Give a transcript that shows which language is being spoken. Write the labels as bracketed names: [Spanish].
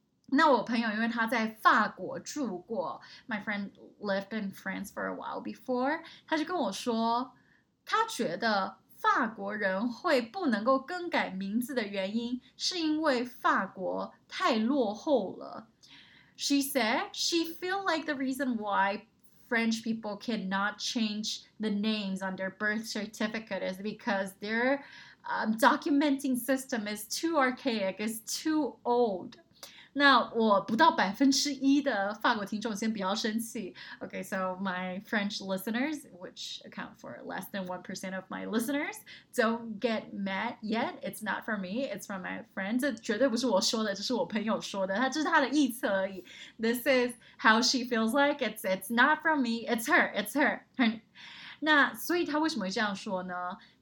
[Chinese] 那我朋友因为他在法国住过, [English] my friend lived in France for a while before, [Chinese] 他就跟我说, 他觉得法国人会不能够更改名字的原因是因为法国太落后了。 [English] She said she feel like the reason why French people cannot change the names on their birth certificate is because their documenting system is too archaic, is too old. [Chinese] 那我不到1%的法国听众先不要生气. [English] Okay, so my French listeners, which account for less than 1% of my listeners, don't get mad yet. It's not for me, it's for my friend. [Chinese] 这绝对不是我说的，这是我朋友说的，他只是他的臆测而已. [English] This is how she feels like. It's not for me, it's her. [Chinese] 那所以他为什么会这样说呢？